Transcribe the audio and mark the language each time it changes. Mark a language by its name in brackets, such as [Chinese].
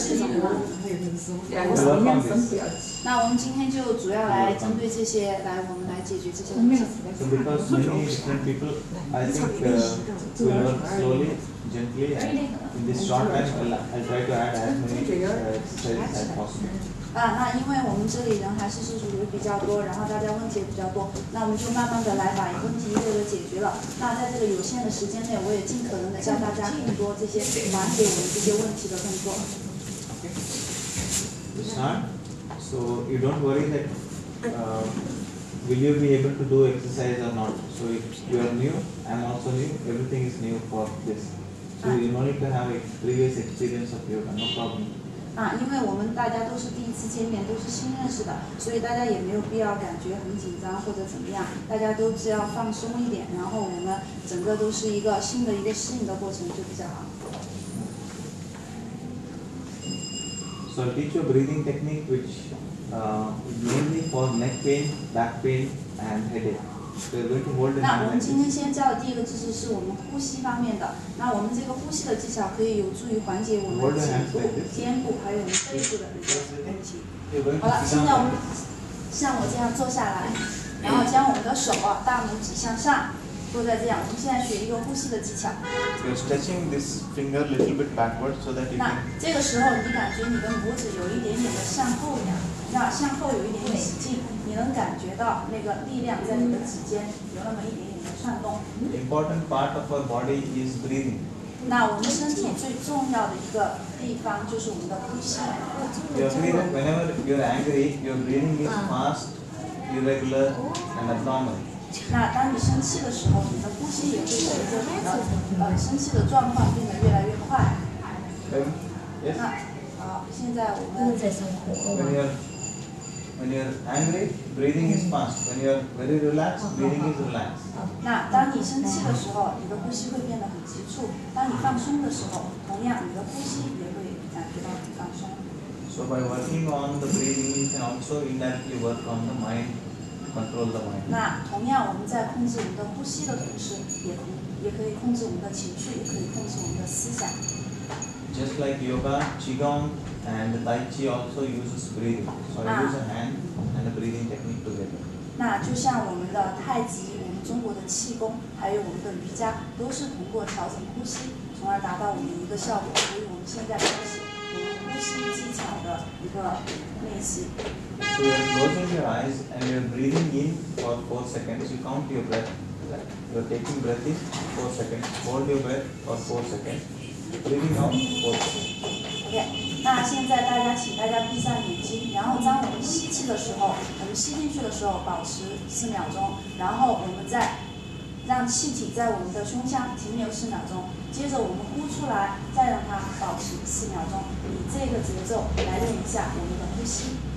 [Chinese] 对，就是比较急的这种。那我们今天就主要来针对这些，来我们来解决这些问题。 [English] So because many different people, I think we work slowly, gently, and in this short time, I'll try to add as many exercises as possible. [Chinese] 啊，那因为我们这里人还是属于比较多，然后大家问题也比较多，那我们就慢慢的来把问题一个个解决了。那在这个有限的时间内，我也尽可能的向大家更多这些缓解我们这些问题的动作。 [English] So you don't worry that will you be able to do exercise or not? So if you are new, I'm also new, everything is new for this. So you don't need to have a previous experience of yoga, no problem. [Chinese] 啊，因为我们大家都是第一次见面，都是新认识的，所以大家也没有必要感觉很紧张或者怎么样，大家都只要放松一点，然后我们整个都是一个新的一个适应的过程就比较好。 [English] So I'll teach you a breathing technique which mainly for neck pain, back pain and headache. [Chinese] 那我们今天先教的第一个知识是我们呼吸方面的，那我们这个呼吸的技巧可以有助于缓解我们颈部、肩部还有我们背部的一些问题。好了，现在我们像我这样坐下来，然后将我们的手大拇指向上坐在这样，我们现在学一个呼吸的技巧。 [English] You're stretching this finger a little bit backwards so that you can. [Chinese] 那这个时候你感觉你的拇指有一点点的向后仰，那向后有一点点使劲，你能感觉到那个力量在你的指尖有那么一点点的窜动。 [English] Important part of our body is breathing. [Chinese] 那我们身体最重要的一个地方就是我们的呼吸。 [English] You're breathing whenever you're angry, your breathing is fast, irregular, and abnormal. [Chinese] 那当你生气的时候，你的呼吸也会随着你的生气的状况变得越来越快。 [English] Yes. [Chinese] 那好，现在我们在上课。 [English] When you're angry, breathing is fast. When you're very relaxed, breathing is relaxed. [Chinese] 那当你生气的时候，你的呼吸会变得很急促；当你放松的时候，同样你的呼吸也会感觉到很放松。 [English] So by working on the breathing, you can also indirectly work on the mind. Control the mind. [Chinese] 那同样，我们在控制我们的呼吸的同时，也可以控制我们的情绪，也可以控制我们的思想。 [English] Just like yoga, qigong, and tai chi also uses breathing. So I use a hand and a breathing technique together. [Chinese] 那就像我们的太极，我们中国的气功，还有我们的瑜伽，都是通过调整呼吸，从而达到我们一个效果。所以我们现在开始我们呼吸技巧的一个练习。 [English] So you are closing your eyes and you are breathing in for 4 seconds. You count your breath. You are taking breath in 4 seconds. Hold your breath for 4 seconds. Breathing out 4 seconds. Okay. [Chinese] 那现在大家请大家闭上眼睛，然后当我们吸气的时候，我们吸进去的时候保持4秒钟，然后我们再让气体在我们的胸腔停留4秒钟，接着我们呼出来，再让它保持4秒钟，以这个节奏来练一下我们的呼吸。